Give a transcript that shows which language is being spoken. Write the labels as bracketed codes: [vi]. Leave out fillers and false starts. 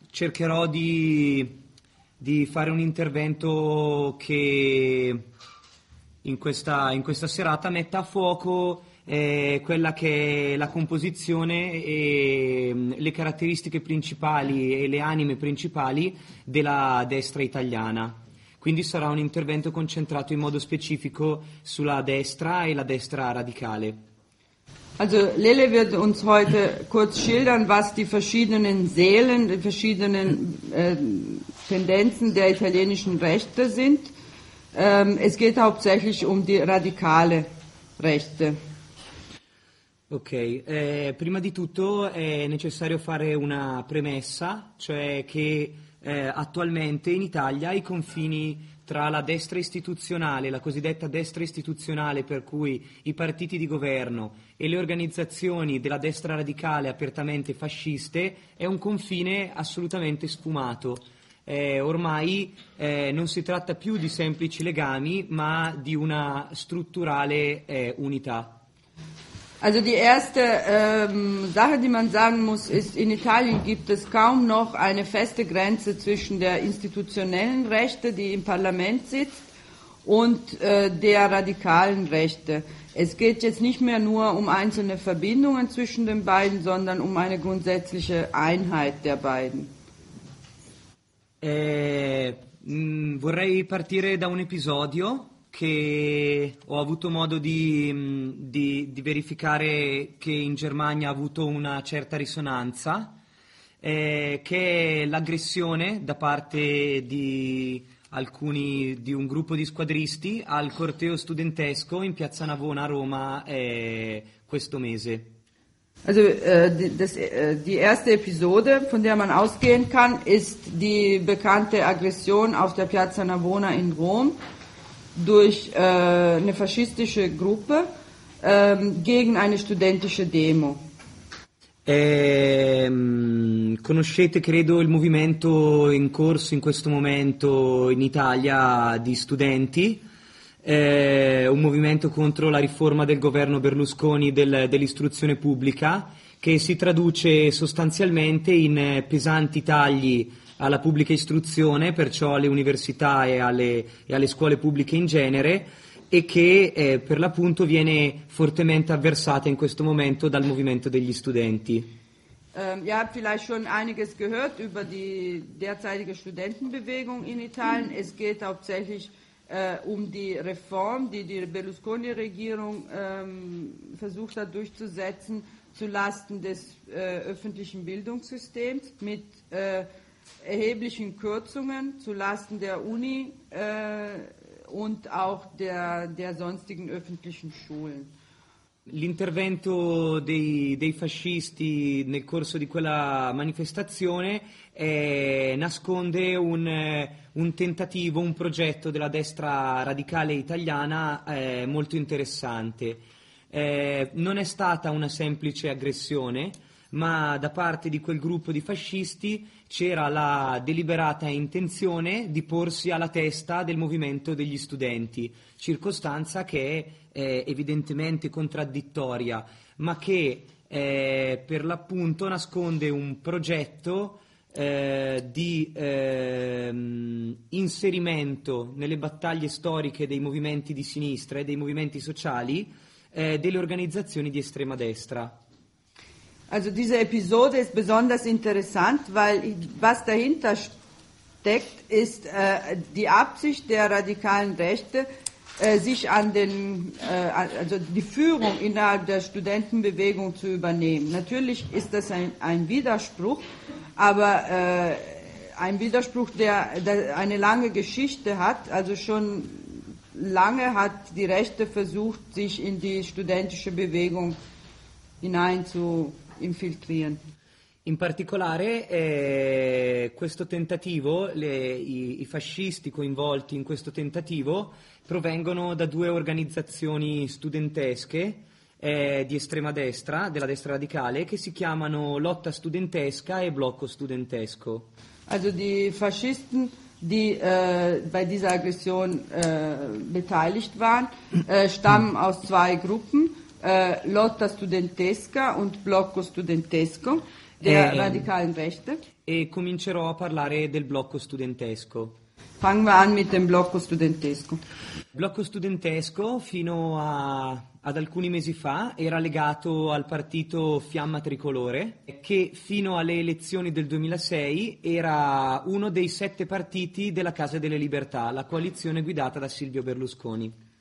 [it] cercherò di fare un intervento che in questa serata metta a fuoco quella che è la composizione e le caratteristiche principali e le anime principali della destra italiana. Quindi sarà un intervento concentrato in modo specifico sulla destra e la destra radicale. [de] Also Lille wird uns heute kurz schildern, was die verschiedenen Seelen, die verschiedenen Tendenzen der italienischen Rechte sind. Es geht hauptsächlich um die radikale Rechte. [it] Ok, prima di tutto è necessario fare una premessa, cioè che attualmente in Italia i confini tra la destra istituzionale, la cosiddetta destra istituzionale, per cui i partiti di governo e le organizzazioni della destra radicale apertamente fasciste, è un confine assolutamente sfumato. Ormai non si tratta più di semplici legami, ma di una strutturale unità. [de] Also die erste Sache, die man sagen muss, ist, in Italien gibt es kaum noch eine feste Grenze zwischen der institutionellen Rechte, die im Parlament sitzt, und der radikalen Rechte. Es geht jetzt nicht mehr nur um einzelne Verbindungen zwischen den beiden, sondern um eine grundsätzliche Einheit der beiden. [it] Vorrei partire da un episodio che ho avuto modo di verificare che in Germania ha avuto una certa risonanza, che è l'aggressione da parte di un gruppo di squadristi al corteo studentesco in Piazza Navona a Roma, questo mese. [de] Also die erste Episode, von der man ausgehen kann, ist die bekannte Aggression auf der Piazza Navona in Rom durch eine faschistische Gruppe gegen eine studentische Demo. [it] Conoscete, credo, il movimento in corso in questo momento in Italia di studenti, un movimento contro la riforma del governo Berlusconi dell'istruzione pubblica, che si traduce sostanzialmente in pesanti tagli alla pubblica istruzione, perciò alle università e alle scuole pubbliche in genere, e che per l'appunto viene fortemente avversata in questo momento dal movimento degli studenti. [de] Ihr habt vielleicht schon einiges gehört über die derzeitige Studentenbewegung in Italien. Es geht hauptsächlich um die Reform, die die Berlusconi-Regierung versucht hat durchzusetzen, zulasten des öffentlichen Bildungssystems mit erheblichen Kürzungen zulasten der Uni und auch der sonstigen öffentlichen Schulen. [it] L'intervento dei fascisti nel corso di quella manifestazione nasconde un tentativo, un progetto della destra radicale italiana molto interessante. Non è stata una semplice aggressione, ma da parte di quel gruppo di fascisti c'era la deliberata intenzione di porsi alla testa del movimento degli studenti, circostanza che è evidentemente contraddittoria, ma che per l'appunto nasconde un progetto di inserimento nelle battaglie storiche dei movimenti di sinistra e dei movimenti sociali delle organizzazioni di estrema destra. [de] Also diese Episode ist besonders interessant, weil was dahinter steckt, ist die Absicht der radikalen Rechte, sich an den, also die Führung innerhalb der Studentenbewegung zu übernehmen. Natürlich ist das ein Widerspruch, aber ein Widerspruch, der eine lange Geschichte hat. Also schon lange hat die Rechte versucht, sich in die studentische Bewegung hineinzu infiltrieren. [it] In particolare, questo tentativo, i fascisti coinvolti in questo tentativo provengono da due organizzazioni studentesche di estrema destra, della destra radicale, che si chiamano Lotta Studentesca e Blocco Studentesco. [de] Also die Faschisten, die bei dieser Aggression beteiligt waren, stammen aus zwei Gruppen. Lotta Studentesca und Blocco Studentesco der radikalen Rechte. [it] e comincerò a parlare del blocco studentesco. [de] Fangen wir an mit dem blocco studentesco. [it] Blocco studentesco fino a, ad alcuni mesi fa era legato al partito Fiamma Tricolore, che fino alle elezioni del 2006 era uno dei sette partiti della Casa delle Libertà, la coalizione guidata da Silvio Berlusconi.